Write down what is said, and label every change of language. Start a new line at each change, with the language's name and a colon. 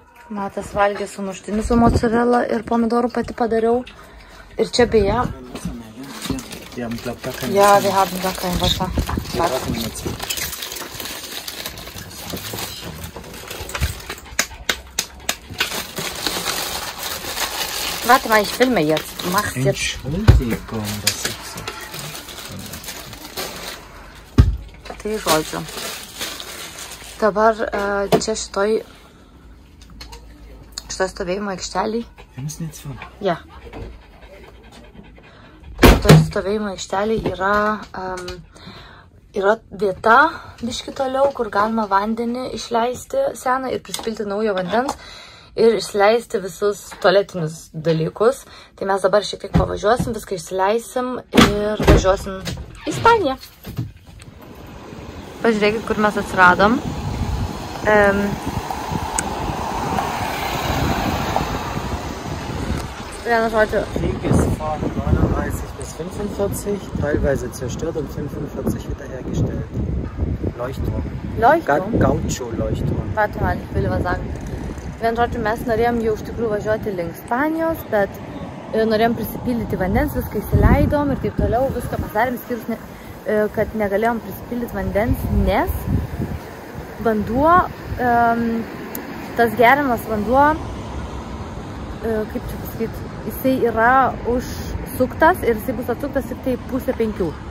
Lithuanian: Matas valgė su muštiniu su mozzarella ir pomidorų pati padariau. Ir čia beje.
German: Ja, wir haben da kein Wasser. Warte mal, ich filme jetzt. Mach's jetzt. Entschuldigung, dass ich so schön bin.
Lithuanian: Tai žodžiu. Dabar čia šitoj stovėjimo aikšteliai. Jums neatsvaro?
German: Ja.
Lithuanian: Šitoj stovėjimo aikšteliai yra yra vieta biški toliau, kur galima vandenį išleisti seną ir prispilti naujo vandens. Ir išleisti visus tualetinius dalykus. Tai mes dabar šiek tiek pavažiuosim, viską išsileisim ir važiuosim į Spaniją. Pažiūrėkit, kur mes atsiradom. Vieną žodžią.
German: Krieges von 39-45, teilweise zerstört und 45 wiederhergestellt. Leuchtturm. Leuchtturm? Gaucho-Leuchtturm. Warte mal, ich will was sagen.
Lithuanian: Vien žodžiu, mes norėjom jau iš tikrųjų važiuoti link Spanijos, bet norėjom prisipildyti vandens, viską įsileidom ir taip toliau, viską pasarėm skirs, kad negalėjom prisipildyti vandens, nes vanduo, tas geriamas vanduo, kaip čia pasakyti, jisai yra užsuktas ir jisai bus atsuktas tik tai 4:30.